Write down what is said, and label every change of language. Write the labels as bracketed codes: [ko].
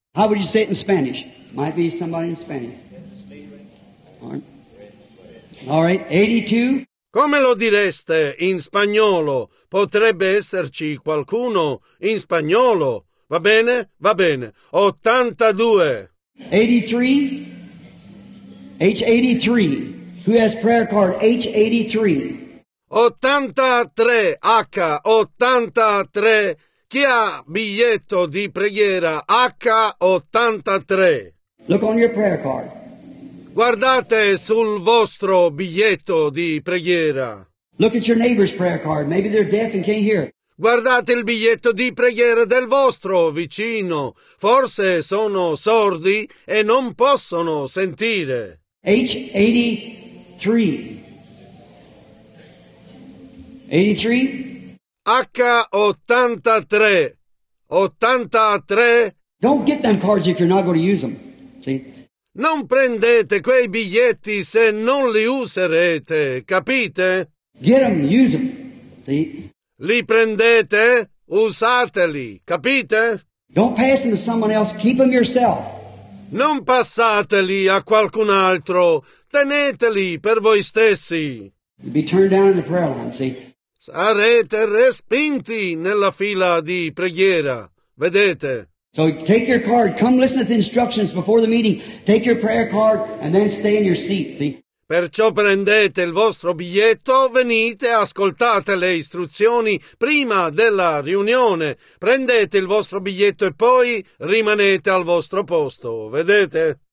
[en] How would you say it in Spanish? Might be somebody in Spanish. All right, 82. [it] Come lo direste in spagnolo? Potrebbe esserci qualcuno in spagnolo. Va bene? Va bene. 82. [en] 83. H83. Who has prayer card? H83. 83. H83. [it] Chi ha biglietto di preghiera? H83. [en] Look on your prayer card. [it] Guardate sul vostro biglietto di preghiera. [en] Look at your neighbor's prayer card. Maybe they're deaf and can't hear. [it] Guardate il biglietto di preghiera del vostro vicino. Forse sono sordi e non possono sentire. [en] H83. 83? H83. 83? Don't get them cards if you're not going to use them. See? [it] Non prendete quei biglietti se non li userete, capite? [en] Get them, use them. See? [it] Li prendete, usateli, capite? [en] Don't pass them to someone else, keep them yourself. [it] Non passateli a qualcun altro, teneteli per voi stessi. [en] You'd be turned down in the prayer line, see? [it] Sarete respinti nella fila di preghiera, vedete? [en] So take your card, come listen to the instructions before the meeting, take your prayer card and then stay in your seat, see? [it] Perciò prendete il vostro biglietto, venite, ascoltate le istruzioni prima della riunione, prendete il vostro biglietto e poi rimanete al vostro posto, vedete?